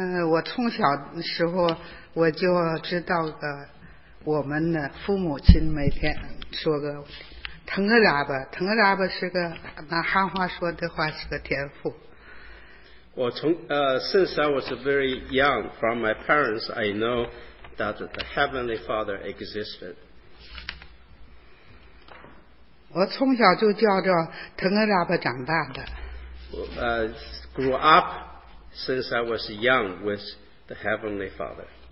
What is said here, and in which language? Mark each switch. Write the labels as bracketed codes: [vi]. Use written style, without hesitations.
[zh] 我从小的时候我就知道个我们的父母亲每天说个腾个喇叭，腾个喇叭是个拿汉话说的话是个天赋。我从 [en] since I was very young, from my parents, I know that the Heavenly Father existed. [zh] 我从小就叫着腾个喇叭长大的。 [en] Grew up since I was young with the Heavenly Father.